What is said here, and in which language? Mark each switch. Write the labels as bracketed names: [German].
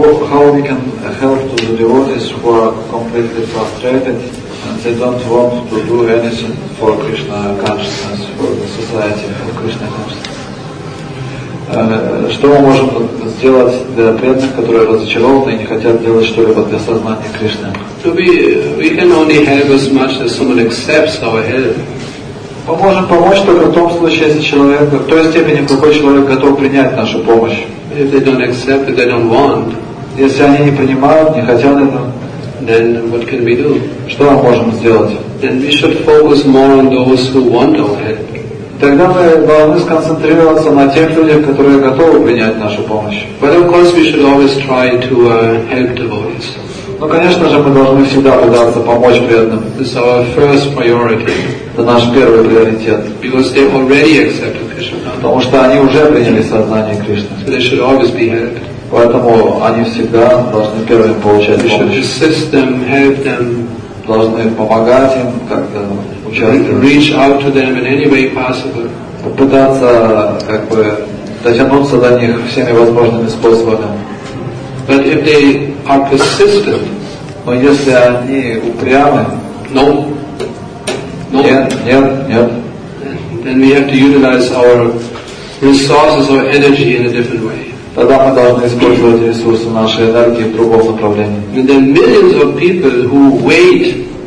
[English] How we can help to the devotees who are completely frustrated and they don't want to do anything for Krishna consciousness, for the society, for Krishna consciousness? [Russian] Что мы можем сделать для преданных, которые разочарованы и не хотят делать что-либо для сознания Кришны? [English] We can only help as much as someone accepts our help. [Russian] Мы можем помочь только в том случае, если человек, в той степени, в какой человек готов принять нашу помощь. [English] If they don't accept, if they don't want. [Russian] Если они не принимают, не хотят этого, [English] then what can we do? [Russian] Что мы можем сделать? [English] Then we should focus more on those who want our help. [Russian] Тогда мы должны сконцентрироваться на тех людях, которые готовы принять нашу помощь. [English] But of course we should always try to help devotees. [Russian] Но, конечно же, мы должны всегда пытаться помочь преданным. [English] It's our first priority. [Russian] Это наш первый приоритет. [English] Because they already accepted Krishna. [Russian] Потому что они уже приняли сознание Кришны. [English] So they should always be helped. [Russian] Поэтому они всегда должны первыми получать помощь. [English] Assist them, help them. [Russian] Должны помогать им, как-то участвовать. [English] Reach out to them in any way possible. [Russian] Попытаться как бы дотянуться до них всеми возможными способами. [English] But if they are persistent, [Russian] но если они упрямы, [English] no. No. [Russian] Нет. [English] Then we have to utilize our resources or energy in a different way. [Russian] Тогда мы должны использовать ресурсы нашей энергии в другом направлении.